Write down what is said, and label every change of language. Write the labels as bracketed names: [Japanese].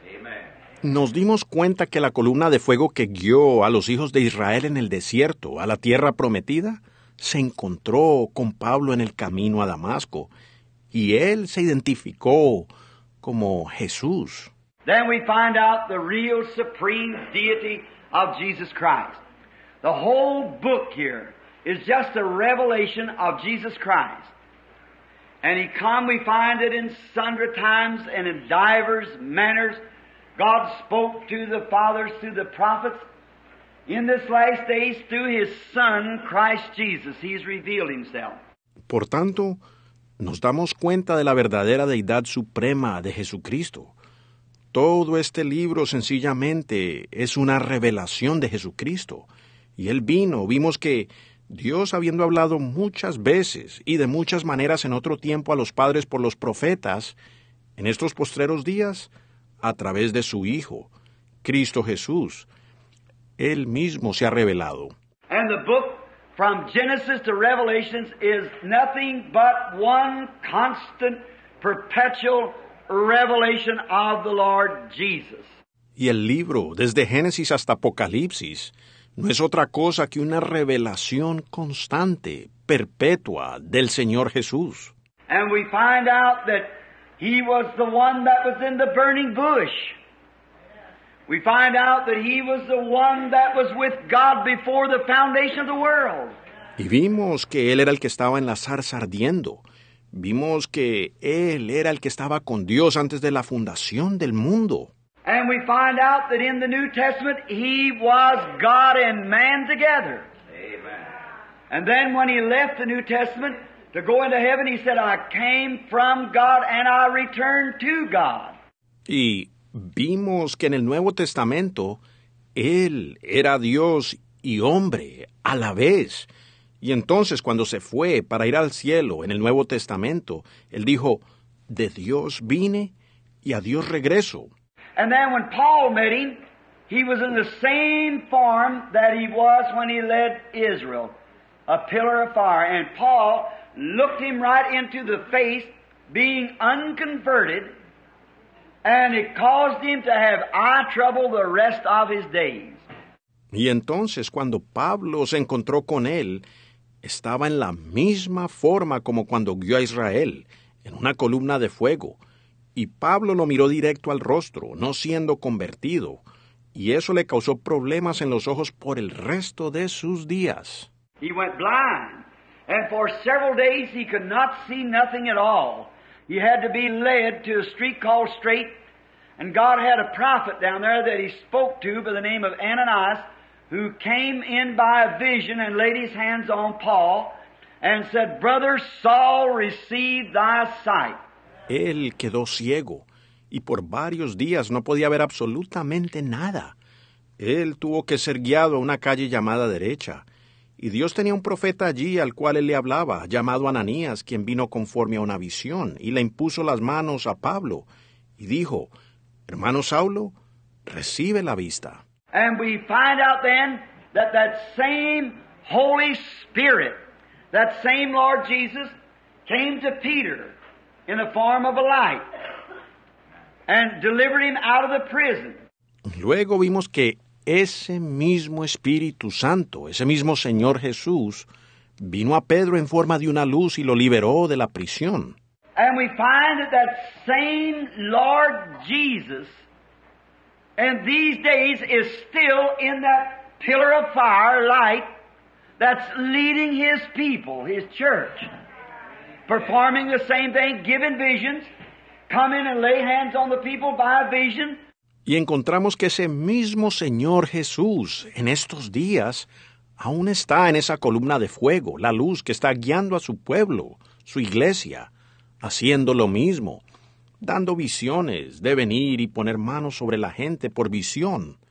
[English] Amen. [Spanish] Nos dimos cuenta que la columna de fuego que guió a los hijos de Israel en el desierto, a la tierra prometida, se encontró con Pablo en el camino a Damasco, y él se identificó como Jesús. [English] Then we find out the real supreme deity of Jesus Christ. The whole book here is just a revelation of Jesus Christ. And he come, we find it in sundry times and in divers manners. God spoke to the fathers through the prophets. In this last days, through his Son, Christ Jesus, he's revealed himself. [Spanish] Por tanto, nos damos cuenta de la verdadera deidad suprema de Jesucristo. Todo este libro sencillamente es una revelación de Jesucristo. Y él vino, vimos que Dios, habiendo hablado muchas veces y de muchas maneras en otro tiempo a los padres por los profetas, en estos postreros días, a través de su Hijo, Cristo Jesús, él mismo se ha revelado. [English] And the book from Genesis to Revelations is nothing but one constant, perpetual revelation of the Lord Jesus. [Spanish] Y el libro, desde Génesis hasta Apocalipsis, no es otra cosa que una revelación constante, perpetua, del Señor Jesús. [English] And we find out that he was the one that was in the burning bush. We find out that he was the one that was with God before the foundation of the world. [Spanish] Y vimos que él era el que estaba en la zarza ardiendo. Vimos que él era el que estaba con Dios antes de la fundación del mundo. [English] And we find out that in the New Testament he was God and man together. Amen. And then when he left the New Testament to go into heaven, he said, I came from God and I return to God. [Spanish] Y vimos que en el Nuevo Testamento, él era Dios y hombre a la vez. Y entonces, cuando se fue para ir al cielo en el Nuevo Testamento, él dijo, de Dios vine y a Dios regreso. [English] And then when Paul met him, he was in the same form that he was when he led Israel, a pillar of fire. And Paul looked him right into the face, being unconverted, and it caused him to have eye trouble the rest of his days. [Spanish] Y entonces, cuando Pablo se encontró con él, estaba en la misma forma como cuando guió a Israel, en una columna de fuego, y Pablo lo miró directo al rostro, no siendo convertido, y eso le causó problemas en los ojos por el resto de sus días. [English] He went blind. And for several days he could not see nothing at all. He had to be led to a street called Straight. And God had a prophet down there that he spoke to by the name of Ananias, who came in by a vision and laid his hands on Paul and said, Brother Saul, receive thy sight. [Spanish] Él quedó ciego y por varios días no podía ver absolutamente nada. Él tuvo que ser guiado a una calle llamada Derecha. Y Dios tenía un profeta allí al cual él le hablaba, llamado Ananías, quien vino conforme a una visión, y le impuso las manos a Pablo, y dijo, hermano Saulo, recibe la vista. [English] And we find out then that that same Holy Spirit, that same Lord Jesus, came to Peter in the form of a light, and delivered him out of the prison. [Spanish] Luego vimos que ese mismo Espíritu Santo, ese mismo Señor Jesús, vino a Pedro en forma de una luz y lo liberó de la prisión. [English] And we find that same Lord Jesus And these days is still in that pillar of fire light that's leading his people, his church, performing the same thing, giving visions, coming and lay hands on the people by a vision. [Spanish] Y encontramos que ese mismo Señor Jesús en estos días aún está en esa columna de fuego, la luz que está guiando a su pueblo, su iglesia, haciendo lo mismo, dando visiones de venir y poner manos sobre la gente por visión.